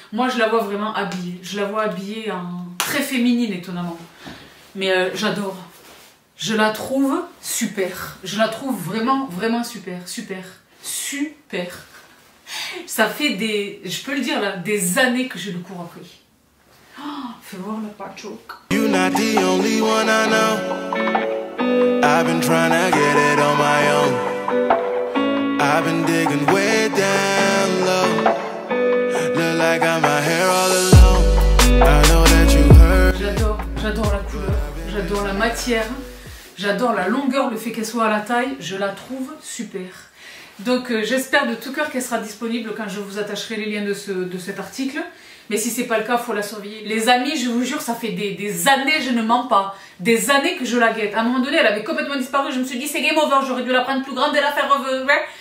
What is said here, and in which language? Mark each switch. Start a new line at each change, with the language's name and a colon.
French: Moi je la vois vraiment habillée. Je la vois habillée en... Très féminine étonnamment. Mais j'adore. Je la trouve super. Je la trouve vraiment, vraiment super. Super. Super. Ça fait des... Je peux le dire là, des années que je le cours après. Oh, fais voir la patchouk.
English: You're not the only one I know. I've been trying to get it on my own. I've been digging way down low. Look like I got my hair all alone. I know that you.
French: J'adore la couleur, j'adore la matière, j'adore la longueur, le fait qu'elle soit à la taille, je la trouve super. Donc j'espère de tout cœur qu'elle sera disponible quand je vous attacherai les liens de cet article. Mais si c'est pas le cas, faut la surveiller. Les amis, je vous jure, ça fait des années, je ne mens pas, des années que je la guette. À un moment donné, elle avait complètement disparu, je me suis dit c'est game over, j'aurais dû la prendre plus grande et la faire revenir.